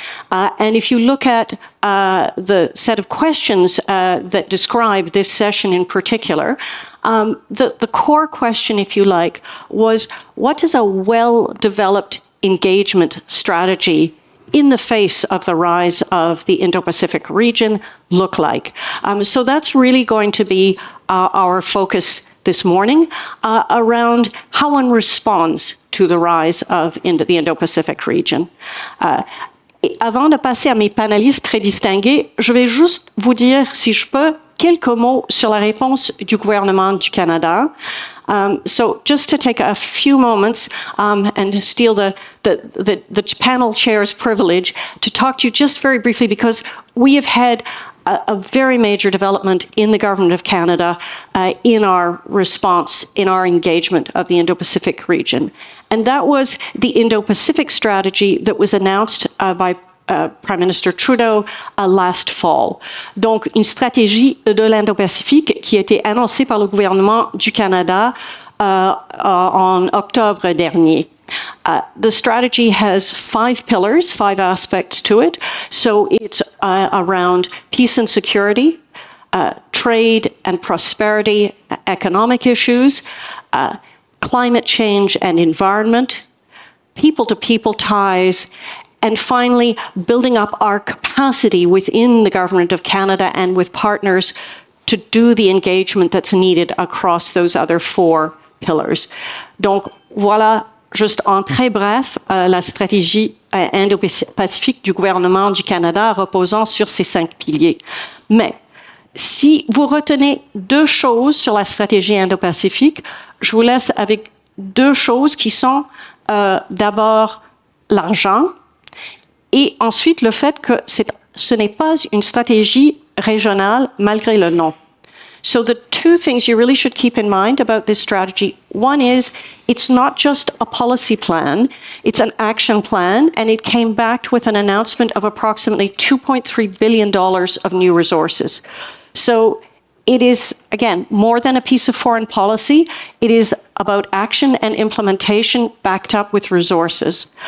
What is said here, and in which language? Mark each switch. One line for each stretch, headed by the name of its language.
English: And if you look at the set of questions that describe this session in particular, the core question, if you like, was what is a well-developed engagement strategy in the face of the rise of the Indo-Pacific region look like? So that's really going to be our focus this morning around how one responds to the rise of the Indo-Pacific region.
French: Avant de passer à mes panélistes très distingués, je vais juste vous dire, si je peux, quelques mots sur la réponse du gouvernement du Canada.
English: So just to take a few moments and to steal the panel chair's privilege to talk to you just very briefly, because we have had a very major development in the government of Canada in our response, in our engagement of the Indo-Pacific region. And that was the Indo-Pacific strategy that was announced by Prime Minister Trudeau last fall.
French: Donc, une stratégie de l'Indo-Pacifique qui a été annoncée par le gouvernement du Canada en octobre dernier.
English: The strategy has five pillars, five aspects to it. So it's around peace and security, trade and prosperity, economic issues, climate change and environment, people-to-people ties, and finally, building up our capacity within the government of Canada and with partners to do the engagement that's needed across those other four pillars.
French: Donc, voilà, juste en très bref, la stratégie Indo-Pacifique du gouvernement du Canada reposant sur ces cinq piliers. Mais si vous retenez deux choses sur la stratégie Indo-Pacifique, je vous laisse avec deux choses qui sont d'abord l'argent, et ensuite, le fait que ce n'est pas une stratégie régionale malgré le nom.
English: So the two things you really should keep in mind about this strategy. One is, it's not just a policy plan, it's an action plan, and it came back with an announcement of approximately $2.3 billion of new resources. So it is, again, more than a piece of foreign policy, it is about action and implementation backed up with resources.